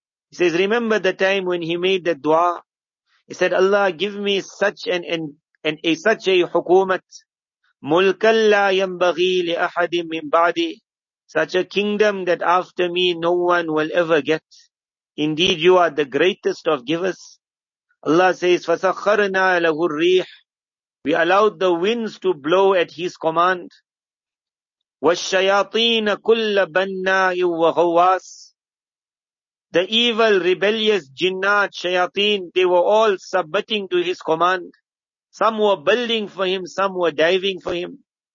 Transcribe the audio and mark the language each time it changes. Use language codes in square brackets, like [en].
[en] He says, remember the time when he made the dua. He said, Allah, give me such a hukumat. [ar] Mulkan la yanbaghi li ahadin min ba'di. [en] Such a kingdom that after me no one will ever get. Indeed, you are the greatest of givers. Allah says, [ar] فَسَخَّرْنَا لَهُ الرِّيحِ. [en] We allowed the winds to blow at his command. [ar] وَالشَّيَاطِينَ كُلَّ بَنَّاءٍ وَغَوَّاسٍ. [en] The evil, rebellious jinnat, shayateen, they were all submitting to his command. Some were building for him, some were diving for him.